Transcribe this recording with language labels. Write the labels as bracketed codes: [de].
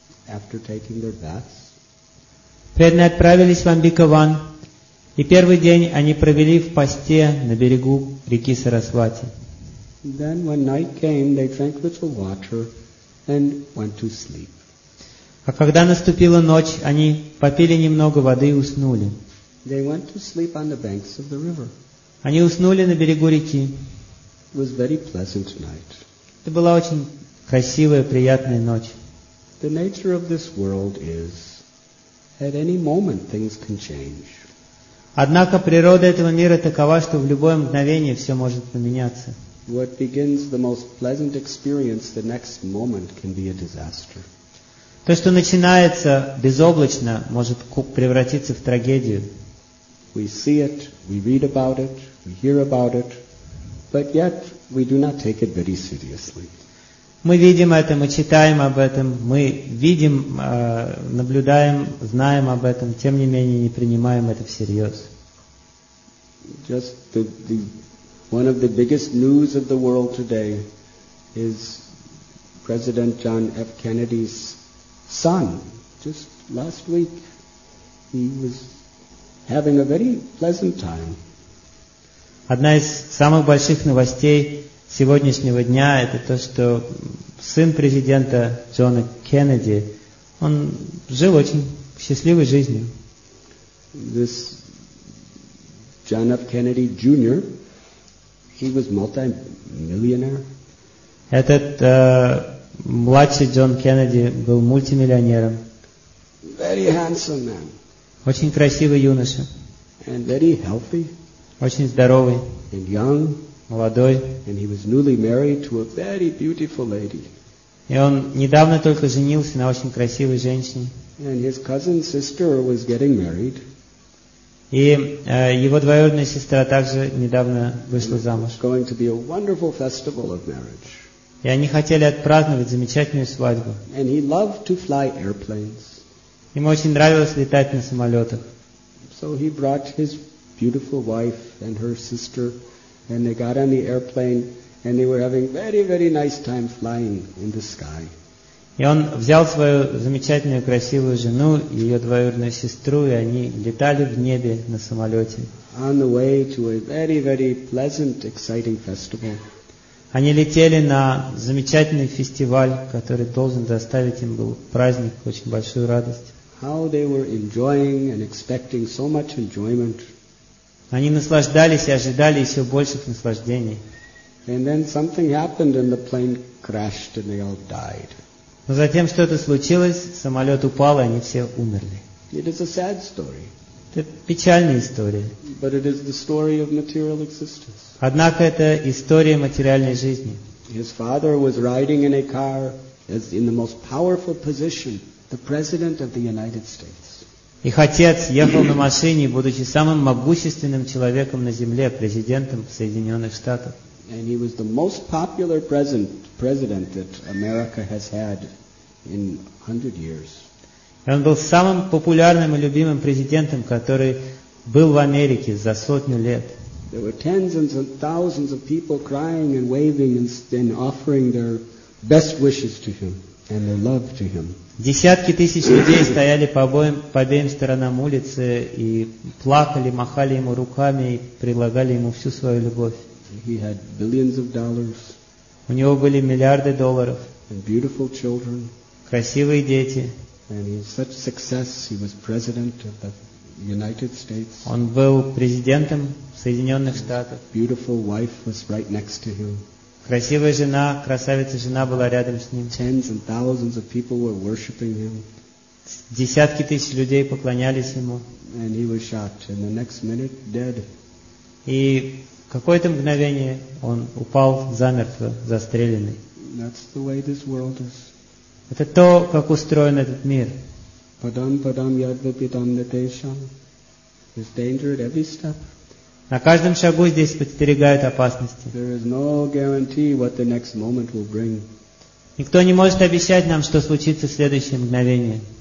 [en] After taking their baths, [ru] преданные отправились в Амбикаван, и первый день они провели в посте на берегу реки Сарасвати. [en] Then, when night came, they drank little water and went to sleep. [ru] А когда наступила ночь, они попили немного воды и уснули. [en] They went to sleep on the banks of the river. [ru] Они уснули на берегу реки. [en] It was very pleasant night. [ru] Это была очень красивая, приятная ночь. [en] The nature of this world is, at any moment things can change. [ru] Однако природа этого мира такова, что в любое мгновение все может поменяться. [en] What begins the most pleasant experience, the next moment can be a disaster. [ru] То, что начинается безоблачно, может превратиться в трагедию. [en] We see it, we read about it, we hear about it, but yet we do not take it very seriously. [ru] Мы видим это, мы читаем об этом, мы видим, наблюдаем, знаем об этом, тем не менее не принимаем это всерьез. [en] Just one of the biggest news of the world today is President John F. Kennedy's son. Just last week he was having a very pleasant time. [ru] Одна из самых больших новостей сегодняшнего дня – это то, что сын президента Джона Кеннеди, он жил очень счастливой жизнью. [en] This John F. Kennedy Jr., he was multi-millionaire. [ru] Этот младший Джон Кеннеди был мультимиллионером. [en] Very handsome man. [ru] Очень красивый юноша. [en] And very healthy. [ru] Очень здоровый. [en] And young. [ru] Молодой. [en] And he was newly married to a very beautiful lady. [ru] И он недавно только женился на очень красивой женщине. [en] And his cousin's sister was getting married. [ru] И его двоюродная сестра также недавно вышла замуж. [en] Going to be a wonderful festival of marriage. [ru] И они хотели отпраздновать замечательную свадьбу. [en] And he loved to fly airplanes. [ru] Ему очень нравилось летать на самолетах. [en] So he brought his beautiful wife and her sister, and they got on the airplane, and they were having very, very nice time flying in the sky. [ru] И он взял свою замечательную, красивую жену, ее двоюродную сестру, и они летали в небе на самолете. [en] On the way to a very, very pleasant, exciting festival. [ru] Они летели на замечательный фестиваль, который должен доставить им был праздник, очень большую радость. [en] How they were enjoying and expecting so much enjoyment. [ru] Они наслаждались и ожидали еще больших наслаждений. [en] And then something happened and the plane crashed and they all died. [ru] Но затем что-то случилось, самолет упал, и они все умерли. [en] It is a sad story. [ru] Это печальная история. [en] But it is the story of material existence. [ru] Однако это история материальной жизни. [en] His father was riding in a car as in the most powerful position, the president of the United States. [ru] Их отец ехал на машине, будучи самым могущественным человеком на земле, президентом Соединенных Штатов. [en] And he was the most popular president that America has had in 100 years. [ru] Он был самым популярным и любимым президентом, который был в Америке за сотню лет. [en] There were tens and thousands of people crying and waving and offering their best wishes to him and their love to him. [ru] Десятки тысяч людей стояли по обеим сторонам улицы и плакали, махали ему руками и предлагали ему всю свою любовь. [en] He had billions of dollars. [ru] У него были миллиарды долларов. [en] And beautiful children. [ru] Красивые дети. [en] And he had such success. He was president of the United States. [ru] Он был президентом Соединенных Штатов. [en] Beautiful wife was right next to him. [ru] Красивая жена, красавица жена была рядом с ним. [en] Tens and thousands of people were worshiping him. [ru] Десятки тысяч людей поклонялись ему. [en] And he was shot, and the next minute dead. [ru] И в какое-то мгновение он упал замертво, застреленный. [en] That's the way this world is. [ru] Это то, как устроен этот мир. [sa] Padam padam yadva pitam natesham. [en] There's danger at every step. [ru] На каждом шагу здесь подстерегают опасности. [en] There is no guarantee what the next moment will bring. [ru] Никто не может обещать нам, что случится в следующее мгновение.